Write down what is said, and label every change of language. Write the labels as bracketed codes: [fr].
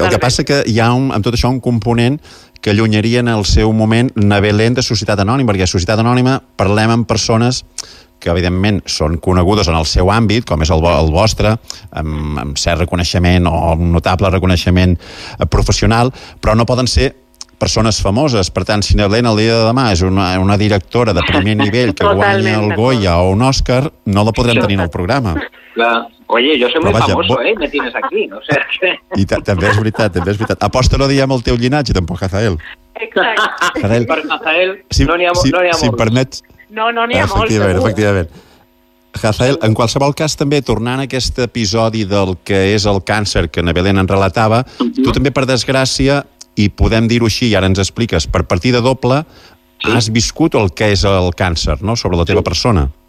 [ca] El que passa que hi ha, amb tot això, un component que allunyaria en el seu moment una Belén de Societat Anònima, perquè a Societat Anònima parlem amb persones que, evidentment, són conegudes en el seu àmbit, com és el vostre, amb cert reconeixement o un notable reconeixement professional, però no poden ser persones famoses. Per tant, si Belén el dia de demà és una directora de primer nivell que guanya el Goya o un Òscar, no la podrem tenir en el programa. [es] Oye, yo soy muy famoso, me tienes aquí. O sea, [ca] també és veritat, també és veritat. Aposta no diem el teu llinatge, tampoc, Rafael. Exacte. Rafael, no n'hi ha molts. Permets... No n'hi ha efectivament, molts. Efectivament. Rafael, en qualsevol cas, també, tornant a aquest episodi del que és el càncer que na Belén en relatava, tu també, per desgràcia, i podem dir-ho així, i ara ens expliques, per partida doble, has viscut el que és el càncer, no?, sobre la teva persona.